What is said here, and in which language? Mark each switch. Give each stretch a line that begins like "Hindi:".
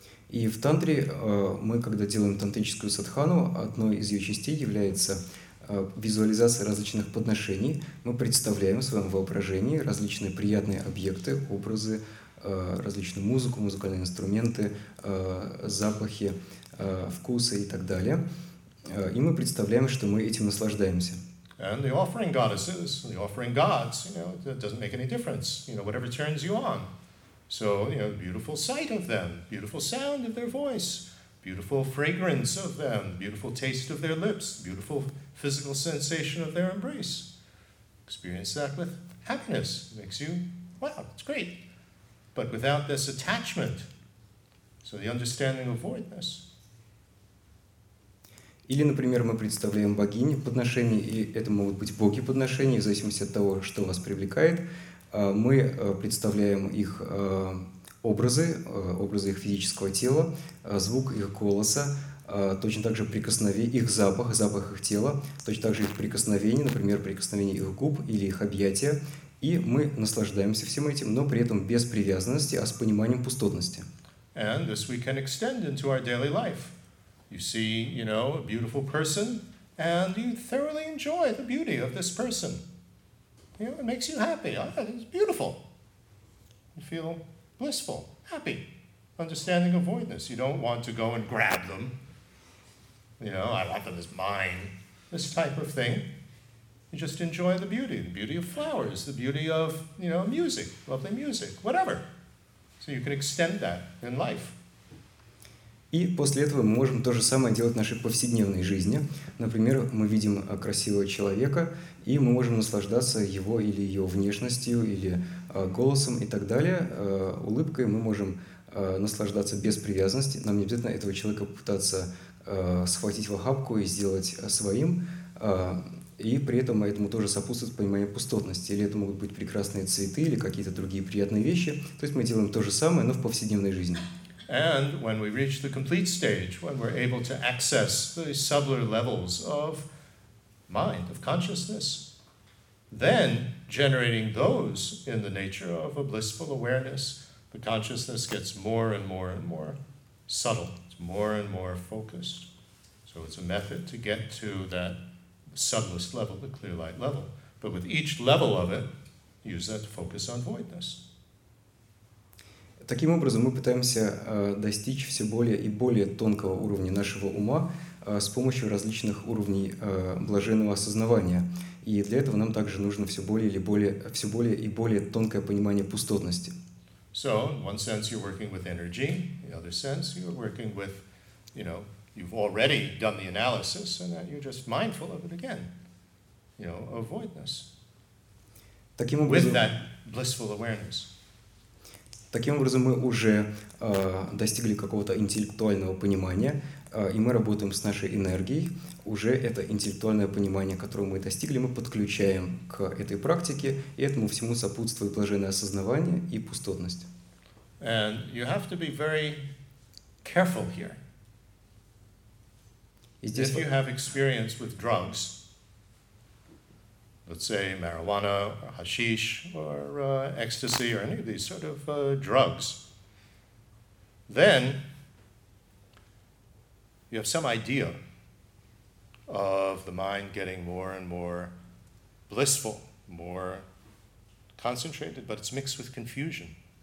Russian: И в тантре мы, когда делаем тантрическую садхану, одной из ее частей является визуализация различных подношений. Мы представляем в своем воображении различные приятные объекты, образы, различную музыку, музыкальные инструменты, запахи, вкусы и так далее. И мы представляем, что мы этим наслаждаемся.
English: And the offering goddesses, the offering gods, you know, it doesn't make any difference, you know, whatever turns you on. So, you know, beautiful sight of them, beautiful sound of their voice, beautiful fragrance of them, beautiful taste of their lips, beautiful physical sensation of their embrace. Experience that with happiness. It makes you, wow, it's great. But without this attachment, so the understanding of voidness.
Russian: Или, например, мы представляем богини подношения, и это могут быть боги подношения, в зависимости от того, что вас привлекает. Мы представляем их образы, образы их физического тела, звук их голоса, точно так же прикосновение, их запах, запах их тела, точно так же их прикосновение, например, прикосновение их губ или их объятия, и мы наслаждаемся всем этим, но при этом без привязанности, а с пониманием пустотности.
English: And this we can extend into our daily life. You see, you know, a beautiful person, and you thoroughly enjoy the beauty of this person. You know, it makes you happy. It's beautiful. You feel blissful, happy, understanding of voidness. You don't want to go and grab them. You know, I want them as mine. This type of thing. You just enjoy the beauty of flowers, the beauty of, you know, music, lovely music, whatever. So you can extend that in life.
Russian: И после этого мы можем то же самое делать в нашей повседневной жизни. Например, мы видим красивого человека, и мы можем наслаждаться его или ее внешностью, или голосом и так далее. Улыбкой мы можем наслаждаться без привязанности. Нам не обязательно этого человека пытаться схватить в охапку и сделать своим. И при этом этому тоже сопутствует понимание пустотности. Или это могут быть прекрасные цветы, или какие-то другие приятные вещи. То есть мы делаем то же самое, но в повседневной жизни.
English: And when we reach the complete stage, when we're able to access the subtler levels of mind, of consciousness, then generating those in the nature of a blissful awareness, the consciousness gets more and more and more subtle. It's more and more focused. So it's a method to get to that subtlest level, the clear light level. But with each level of it, use that to focus on voidness.
Russian: Таким образом, мы пытаемся достичь все более и более тонкого уровня нашего ума с помощью различных уровней блаженного осознавания. И для этого нам также нужно все более и более тонкое понимание пустотности.
English: So, in one sense, you're working with energy. In the other sense, you're working with, you know, you've already done the analysis, and that you're just mindful of it again. You know, of voidness.
Russian: Таким образом,
English: with that blissful awareness.
Russian: Таким образом, мы уже достигли какого-то интеллектуального понимания, и мы работаем с нашей энергией. Уже это интеллектуальное понимание, которое мы достигли, мы подключаем к этой практике, и этому всему сопутствует блаженное осознавание и пустотность.
English: And you have to be very careful here. If you have experience with drugs, let's say marijuana, or hashish, or ecstasy, or any of these sort of drugs, then you have some idea of the mind getting more and more blissful, more concentrated, but it's mixed with confusion.